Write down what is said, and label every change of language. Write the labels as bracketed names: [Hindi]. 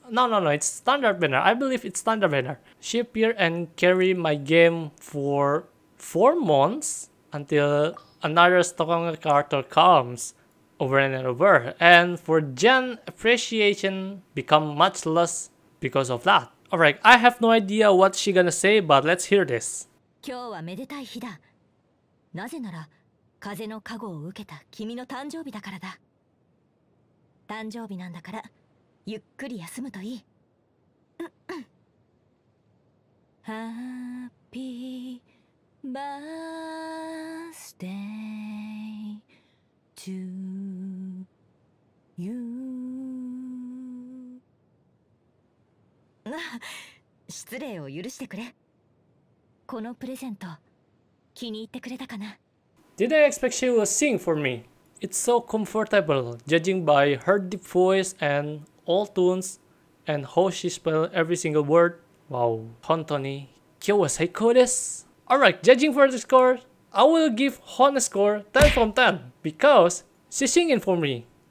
[English] No, it's standard banner. I believe it's standard banner. She appeared and carried my game for 4 months until another stronger character comes over and over. And for Jin, appreciation become much less because of that. Alright, I have no idea what she's gonna say, but let's hear this. [Japanese] 今日はめでたい日だ。なぜなら、風の加護を受けた君の誕生日だからだ。誕生日なんだから、ゆっくり休むといい。 [English] Happy birthday to you. [Japanese] 失礼を許してくれ。このプレゼント気に入ってくれたかな。 [English] Didn't expect she would sing for me. It's so comfortable, judging by her deep voice and all tunes and how she spell every single word. [Japanese] Wow, 本当に今日は最高です。 [English] Alright, judging for the score, I will give Hon a score 10 from 10 because she's singing for me.